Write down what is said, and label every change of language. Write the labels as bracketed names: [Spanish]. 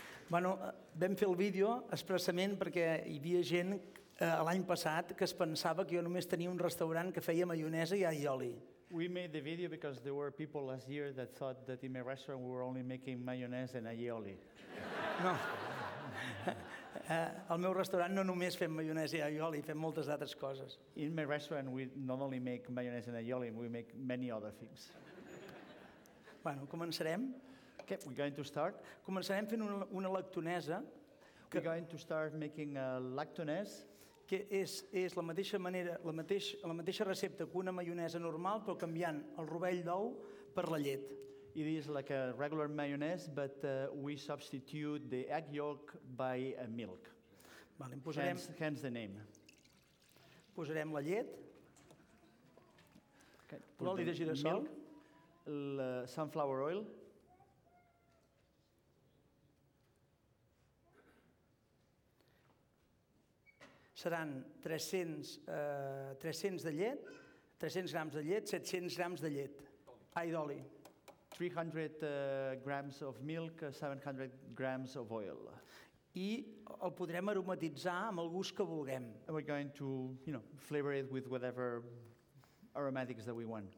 [Catalan] Bueno, vam fer el vídeo expressament perquè hi havia gent l'any passat que es pensava que jo només tenia un restaurant que feia maionesa i aioli. [English] We made the video because there were people last year that thought that in my restaurant we were only making mayonnaise and aioli. [Catalan] No. Al meu restaurant no només fem maionesa i aioli, fem moltes altres coses. [English] In my restaurant we not only make mayonnaise and aioli, we make many other things. [Catalan] Bueno, començarem. [English] Okay, we're going to start. [Catalan] Començarem fent una lactonesa. [English] We're going to start making a lactonesa. [Catalan] Que és la mateixa manera, la mateixa recepta que una maionesa normal, però canviant el rovell d'ou per la llet. [English] It is like a regular mayonnaise, but we substitute the egg yolk by a milk. [Catalan] Vale, posarem, [English] hence the name. [Catalan] Posarem la llet. Okay, l'oli de girassol. [English] El sunflower oil. [Catalan] Seran 300 de llet, 300 grams de llet, 700 grams de llet. Ai, d'oli. [English] 300 grams of milk, 700 grams of oil. [Catalan] I el podrem aromatitzar amb el gust que vulguem. [English] And we're going to, you know, flavor it with whatever aromatics that we want.